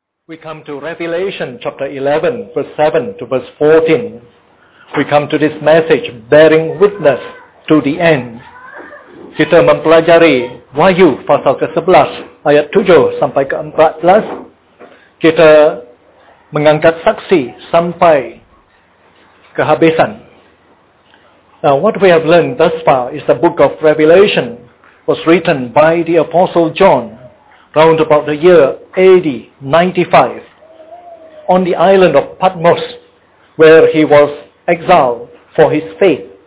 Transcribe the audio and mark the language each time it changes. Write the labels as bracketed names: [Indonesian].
[English] We come to Revelation chapter 11, verse 7 to verse 14. We come to this message bearing witness to the end. [Indonesian] Kita mempelajari Wahyu pasal ke-11 ayat 7 sampai ke-14. Kita mengangkat saksi sampai kehabisan. [English] Now what we have learned thus far is the book of Revelation was written by the Apostle John round about the year AD 95 on the island of Patmos where he was exiled for his faith.